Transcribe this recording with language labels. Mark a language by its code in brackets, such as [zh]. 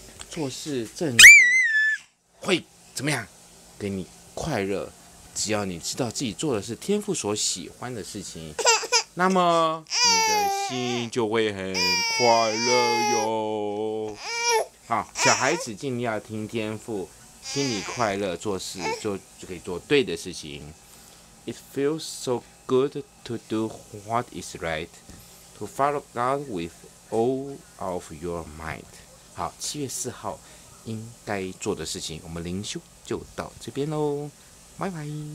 [zh] 做事正直会怎么样给你快乐，只要你知道自己做的是天父所喜欢的事情，那么你的心就会很快乐哟。好，小孩子尽力要听天父，心里快乐，做事就可以做对的事情。 [en] It feels so good to do what is right, to follow God with all of your might. [zh] 好，7月4号应该做的事情，我们灵修就到这边咯。拜拜。